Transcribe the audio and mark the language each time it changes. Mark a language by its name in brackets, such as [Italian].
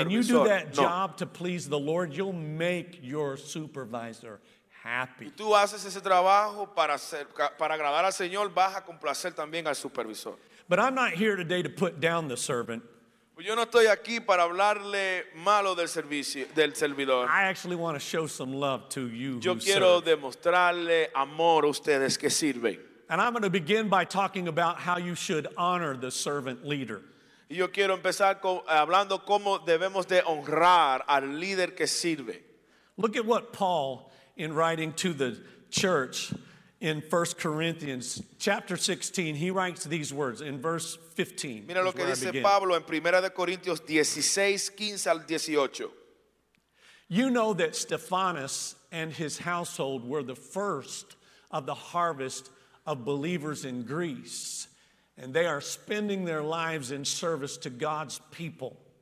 [English] And you do that job to please the Lord, you'll make your supervisor happy. [Spanish] Y tú haces ese trabajo para agradar al Señor, vas a complacer también al supervisor. [English] But I'm not here today to put down the servant. [Spanish] Yo no estoy aquí para hablarle malo del servicio, del servidor. [English] I actually want to show some love to you. [Spanish] Yo quiero demostrarle amor a ustedes que sirven. [English] And I'm going to begin by talking about how you should honor the servant leader. [Spanish] Y yo quiero empezar hablando cómo debemos de honrar al líder que sirve. [English] Look at what Paul, in writing to the church in 1 Corinthians chapter 16, he writes these words in verse 15. [Spanish] Mira lo que dice Pablo en Primera de Corintios 16, 15 al 18. [English] You know that Stephanas and his household were the first of the harvest of believers in Greece, and they are spending their lives in service to God's people.